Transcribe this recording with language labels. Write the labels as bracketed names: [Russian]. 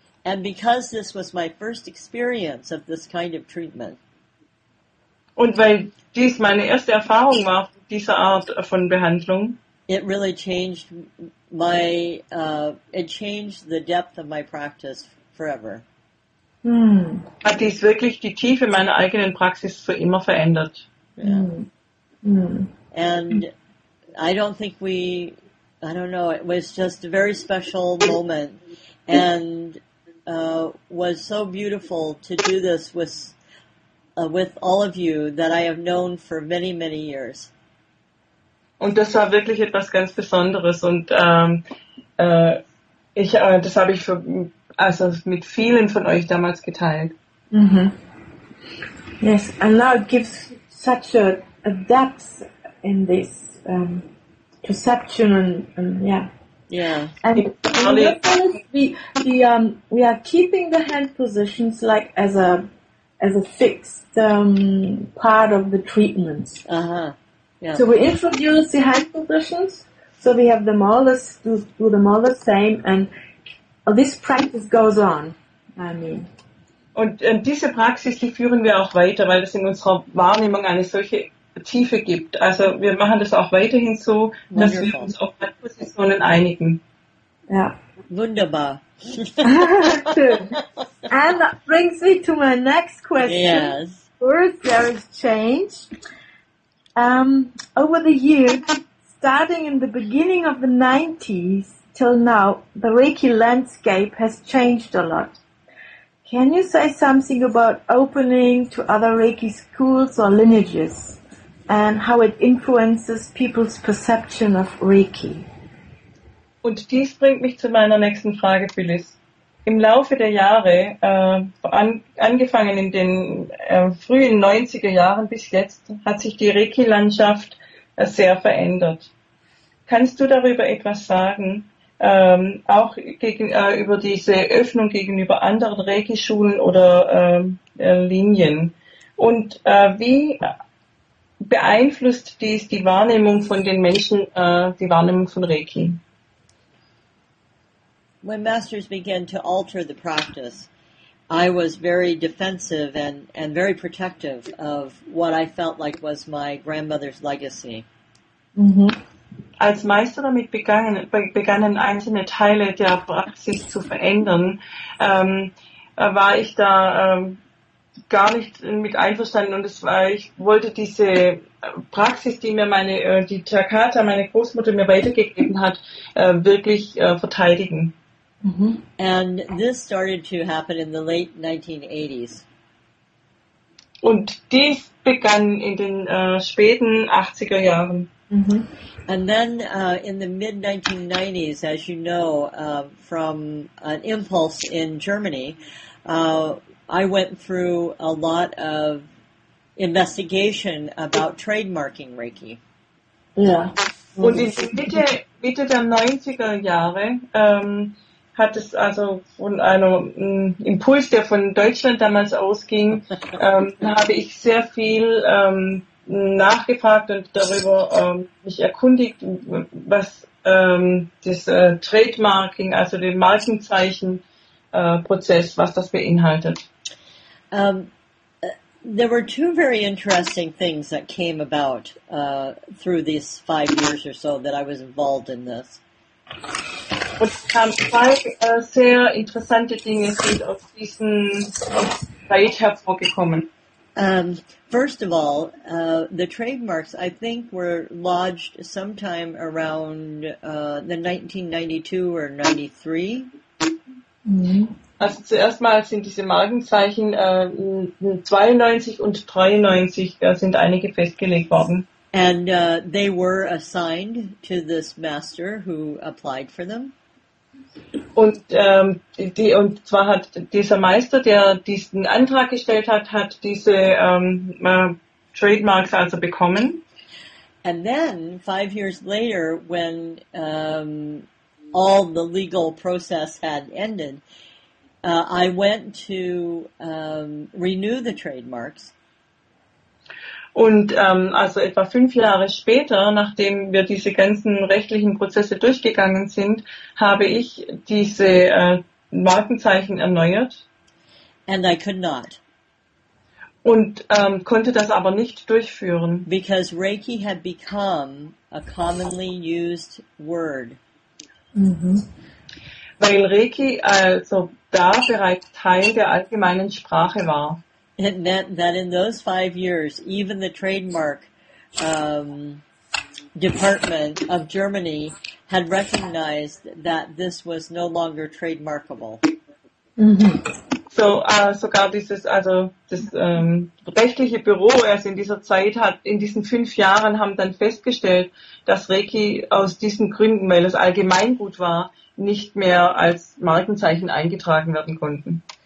[English] And because this was my first experience of this kind of treatment. [German] Und weil dies meine erste Erfahrung war, dieser Art von Behandlung, [English] it really changed my, it changed the depth of my practice forever. Hm. [German] Hat dies wirklich die Tiefe meiner eigenen Praxis für immer verändert. [English] Yeah. And I don't think we, I don't know, it was just a very special moment and was so beautiful to do this with all of you that I have known for many, many years. [German] Und das war wirklich etwas ganz Besonderes und das habe ich für also mit vielen von euch damals geteilt. Mm-hmm. [English] Yes, and now it gives such a depth in this perception and yeah. Yeah. And we are keeping the hand positions like as a fixed part of the treatment. Uh-huh. Yeah. So we introduce the hand positions, so we have them all as do them all the same and oh, this practice goes on. I mean. [German] Und diese Praxis, die führen wir auch weiter, weil es in unserer Wahrnehmung eine solche Tiefe gibt. Also wir machen das auch weiterhin so, [English] wonderful, [German] dass wir uns auf Handpositionen einigen. Ja. Wunderbar. [English] And that brings me to my next question. Yes. First, there is change. Over the years, starting in the beginning of the 90s, till now, the Reiki landscape has changed a lot. Can you say something about opening to other Reiki schools or lineages? and how it influences people's perception of Reiki. [German] Und dies bringt mich zu meiner nächsten Frage, Phyllis. Im Laufe der Jahre, angefangen in den frühen 90er Jahren bis jetzt, hat sich die Reiki-Landschaft sehr verändert. Kannst du darüber etwas sagen, auch über diese Öffnung gegenüber anderen Reiki-Schulen oder Linien? Und wie beeinflusst dies die Wahrnehmung von den Menschen, die Wahrnehmung von Reiki? [English] When masters began to alter the practice, I was very defensive and very protective of what I felt like was my grandmother's legacy. Mm-hmm. [German] Als Meister damit begannen einzelne Teile der Praxis zu verändern, war ich da gar nicht mit einverstanden und ich wollte diese Praxis, die mir die Takata, meine Großmutter mir weitergegeben hat, wirklich verteidigen. Mm-hmm. [English] And this started to happen in the late 1980s. [German] Und dies begann in den späten 80er Jahren. Mm-hmm. [English] And then in the mid 1990s, as you know, from an impulse in Germany, I went through a lot of investigation about trademarking Reiki. [German] Ja. Und in Mitte der 90er Jahre hat es also von einem Impuls, der von Deutschland damals ausging, habe ich sehr viel nachgefragt und darüber mich erkundigt, was das Trademarking, also den Markenzeichenprozess, was das beinhaltet. [English] There were two very interesting things that came about through these 5 years or so that I was involved in this. [German] Und es kamen zwei sehr interessante Dinge, sind aus diesem Bereich hervorgekommen. [English] First of all, the trademarks, I think, were lodged sometime around the 1992 or 93. [German] Mm-hmm. Also zuerst mal sind diese Markenzeichen 92 und 93 sind einige festgelegt worden. [English] And they were assigned to this master who applied for them. [German] Und und zwar hat dieser Meister, der diesen Antrag gestellt hat, hat diese Trademarks also bekommen. [English] And then 5 years later, when all the legal process had ended, I went to renew the trademarks. [German] Und also etwa 5 Jahre später, nachdem wir diese ganzen rechtlichen Prozesse durchgegangen sind, habe ich diese Markenzeichen erneuert. [English] And I could not. [German] Und konnte das aber nicht durchführen. [English] Because Reiki had become a commonly used word. Mhm. [German] Weil Reiki also da bereits Teil der allgemeinen Sprache war. [English] It meant that in those 5 years, even the trademark department of Germany had recognized that this was no longer trademarkable. Mm-hmm. [German] So, sogar dieses, also das rechtliche Büro erst in dieser Zeit hat, in diesen 5 Jahren haben dann festgestellt, dass Reiki aus diesen Gründen, weil es Allgemeingut war, nicht mehr als Markenzeichen eingetragen werden konnten.